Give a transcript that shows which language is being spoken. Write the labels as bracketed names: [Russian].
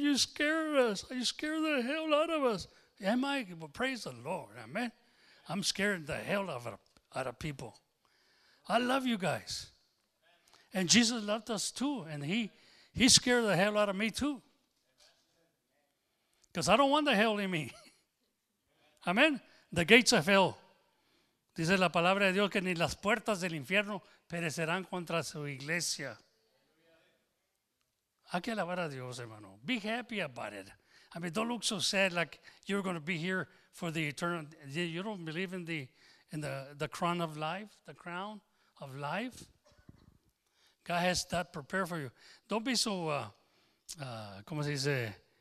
[English] You scare us. You scare the hell out of us. Am I? Well, praise the Lord. Amen. I'm scaring the hell out of people. I love you guys. And Jesus loved us too. And he scared the hell out of me too. Because I don't want the hell in me. Amen. The gates of hell. [Spanish] Dice la palabra de Dios que ni las puertas del infierno perecerán contra su iglesia. Hay que alabar a Dios, hermano. [English] Be happy about it. I mean, don't look so sad like you're going to be here for the eternal. You don't believe in the crown of life, the crown of life. God has that prepared for you. Don't be so, [Spanish] ¿cómo se dice?